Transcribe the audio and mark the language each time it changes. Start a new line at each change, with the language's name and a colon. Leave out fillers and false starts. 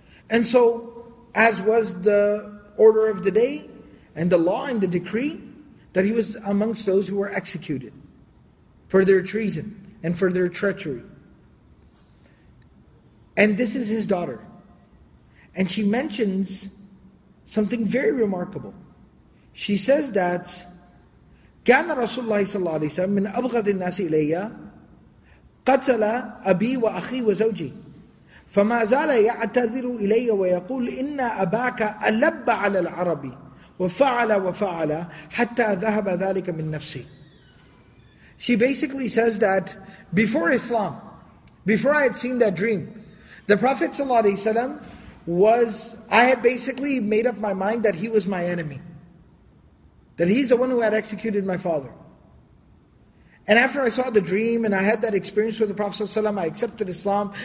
English: And so, as was the order of the day, and the law and the decree, that he was amongst those who were executed for their treason and for their treachery. And this is his daughter. And she mentions something very remarkable. She says that
Arabic: كان رسول الله صلى الله عليه وسلم من أبغض الناس إلي قتل أبي وأخي وزوجي فما زال يعتذر إلي ويقول إن أباك ألب على العربي وفعل وفعل حتى ذهب ذلك من نفسي.
English: She basically says that before Islam, before I had seen that dream, the Prophet صلى الله عليه وسلم was, I had basically made up my mind that he was my enemy. That he's the one who had executed my father. And after I saw the dream and I had that experience with the Prophet ﷺ, I accepted Islam.